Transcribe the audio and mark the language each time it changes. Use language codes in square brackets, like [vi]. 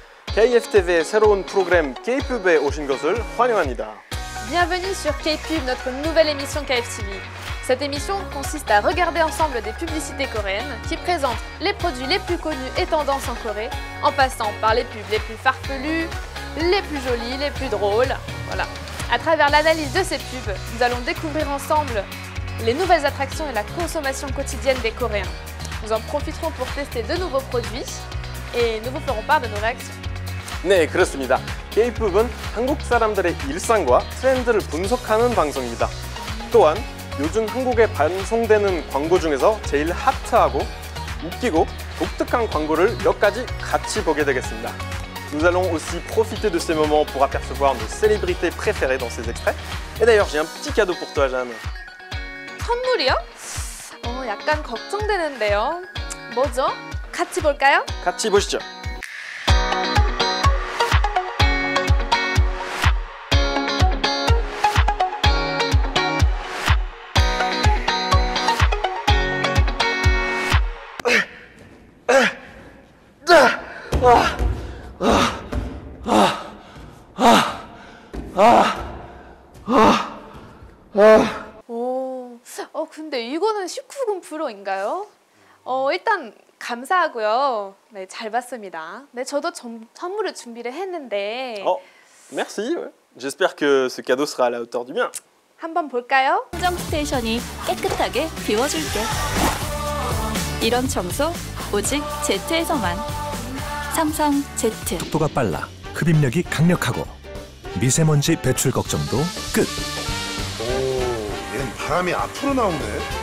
[ko] KFTV의 새로운 프로그램 K-pub에 오신 것을 환영합니다. [fr] Bienvenue sur K-pub, notre nouvelle émission KFTV. Cette émission consiste à regarder ensemble des publicités coréennes qui présentent les produits les plus connus et tendances en Corée, en passant par les pubs les plus farfelues, les plus jolies, les plus drôles. Voilà. À travers l'analyse de ces pubs, nous allons découvrir ensemble les nouvelles attractions et la consommation quotidienne des Coréens. Nous en profiterons pour tester de nouveaux produits et nous vous ferons part de nos réactions. [ko] 네, 그렇습니다. K-pub은 한국 사람들의 일상과 트렌드를 분석하는 방송입니다. 또한 요즘 한국에 방송되는 광고 중에서 제일 핫하고 웃기고 독특한 광고를 몇 가지 같이 보게 되겠습니다. [fr] Nous allons aussi profiter de ces moments pour apercevoir nos célébrités préférées dans ces extraits. Et d'ailleurs, j'ai un petit cadeau pour toi, Jeanne. [ko] 선물이요? 약간 걱정되는데요. 뭐죠? 같이 볼까요? 같이 보시죠. Oh, 근데 이거는 19금 프로인가요? 일단 감사하고요. 네, 잘 봤습니다. 네, 저도 선물을 준비를 했는데. [fr] Oh, merci. J'espère que ce cadeau sera à la hauteur du mien. [ko] 한번 볼까요? 청정 스테이션이 깨끗하게 비워줄게. 이런 청소 오직 Z에서만. 삼성 Z. 속도가 빨라. 흡입력이 강력하고 미세먼지 배출 걱정도 끝. 오, 얘는 바람이 앞으로 나오네.